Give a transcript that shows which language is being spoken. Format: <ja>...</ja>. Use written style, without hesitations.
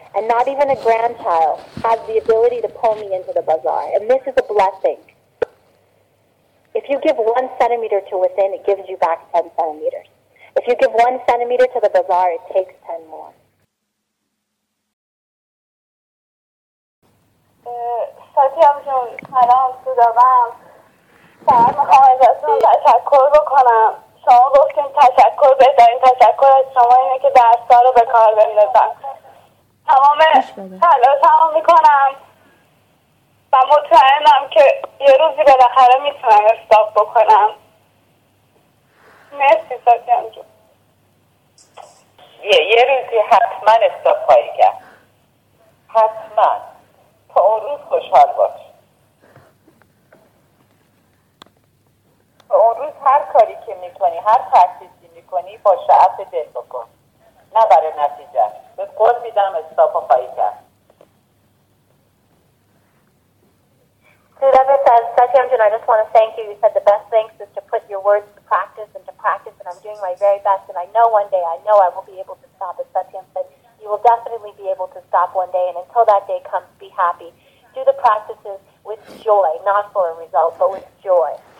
<en>And not even a grandchild has the ability to pull me into the bazaar. And this is a blessing. If you give 1 centimeter to within, it gives you back 10 centimeters. If you give 1 centimeter to the bazaar, it takes 10 more.</en> <fa>ساتیام جون سلام خداوام سلام میخوام ازتون تشکر بکنم شما گفتین تشکر بذارین تشکر از شما اینه که درستا رو به کار بندازم تمام تلاشم رو میکنم و مطمئنم که یه روزی بالاخره میتونم استاپ بکنم مرسی ساتیام جون یه روزی حتما استاپ خواهی کرد حتما تا اون روز خوشحال باش تا اون روز هر کاری که میکنی هر پرکتیسی میکنی با شعف دل بکن نه برای نتیجه به قول میدم استاپ خواهی کرد</fa> <en>Whoever says, Satyam Jun, I just want to thank you. You said the best things is to put your words to practice and to practice, and I'm doing my very best, and I know one day, I know I will be able to stop. As Satyam said, you will definitely be able to stop one day, and until that day comes, be happy. Do the practices with joy, not for a result, but with joy.</en>